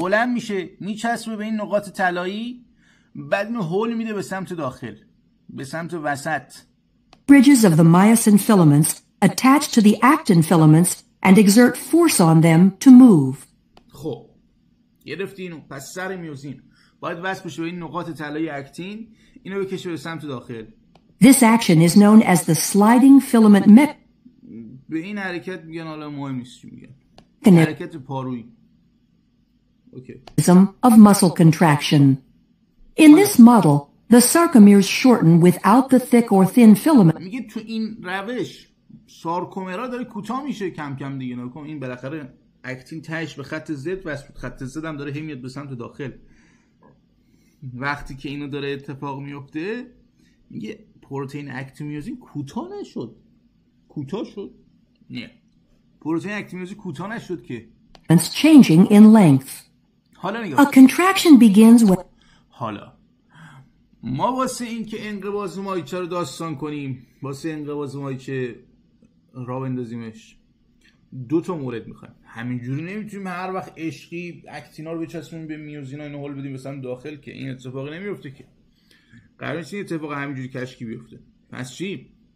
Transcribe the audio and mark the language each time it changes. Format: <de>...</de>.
<fa>بلند میشه میچسبه به این نقاط طلایی بعد اینو هول میده به سمت داخل به سمت وسط</fa> <en>bridges of the myosin filaments attach to the actin filaments and exert force on them to move</en> <fa>خب گرفتی اینو پس سر میوزین باید وصل بشه به این نقاط طلایی اکتین اینو بکشه به سمت داخل</fa> <en>This action is known as the sliding filament</en> <fa>به این حرکت میگن حالا مهم نیست چی میگن حرکت پارویی</fa> <en>Okay. Of muscle contraction. In this model, the sarcomeres shorten without the thick or thin filament.</en> <fa>میگه تو این روش سارکومرها داره کوتاه میشه کم کم دیگه نه این بالاخره اکتین تهش به خط زد وصل بود خط زد هم داره همیت به سمت داخل وقتی که اینو داره اتفاق میفته میگه پروتئین اکتیمیوزین کوتاه نشد کوتاه شد نه پروتئین اکتیمیوزین کوتاه نشد که</fa> <en>It's changing in length. A contraction begins when</en> <fa>حالا ما واسه این که انقباض ماهیچه رو داستان کنیم واسه انقباض ماهیچه را بندازیمش دو تا مورد میخوایم همینجوری نمیتونیم هر وقت عشقی اکتینا رو بچسبونیم به میوزینا اینو هول بدیم مثلا داخل که این اتفاقی نمیفته که قرار نیست این اتفاق همینجوری کشکی بیفته پس چی؟</fa>